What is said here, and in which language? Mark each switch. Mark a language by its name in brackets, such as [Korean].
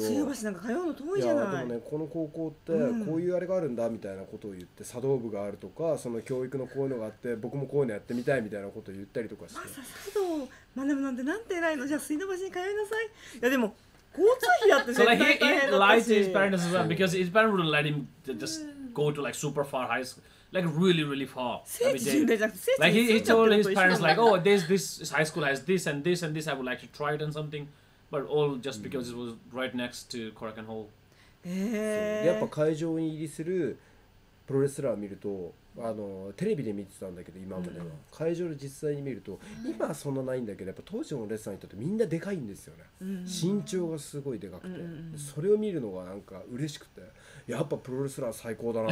[Japanese] 水道橋なんか通うの遠いじゃない。いやでもね、この高校ってこういうあれがあるんだみたいなことを言って、茶道部があるとか、その教育のこういうのがあって、僕もこういうのやってみたいみたいなことを言ったりとかして。まさ、茶道学ぶなんてなんて偉いの。じゃあ水道橋に通いなさい。いやでも交通費だって絶対大変だったし。 [English] So like he lied to his parents as well, because his parents wouldn't let him just go to like super far high school, like really really far. Like he told his parents like, oh, this high school has this and this and this, I would like to try it and something, but all just because it was right next to Korakuen Hall. [Japanese] やっぱ会場に入りするプロレスラーを見ると、テレビで見てたんだけど、今までは会場で実際に見ると、今はそんなないんだけど、やっぱ当時のレッスンにとってみんなでかいんですよね。身長がすごいでかくて、それを見るのがなんか嬉しくて、やっぱプロレスラー最高だな。